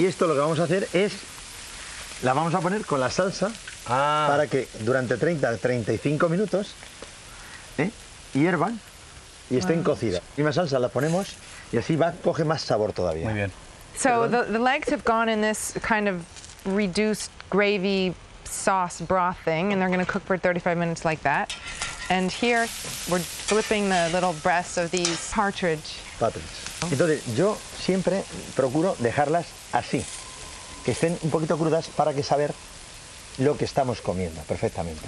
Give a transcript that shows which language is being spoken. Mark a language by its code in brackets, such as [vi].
[es] Y esto lo que vamos a hacer es la vamos a poner con la salsa para que durante 30 a 35 minutos hiervan y estén cocidas. Y más salsa la ponemos y así va, coge más sabor todavía. Muy bien. [en] So the legs have gone in this kind of reduced gravy sauce broth thing, and they're going to cook for 35 minutes like that. And here we're flipping the little breasts of these partridge. Partridge. [es] Entonces yo siempre procuro dejarlas así, que estén un poquito crudas para que saber lo que estamos comiendo perfectamente.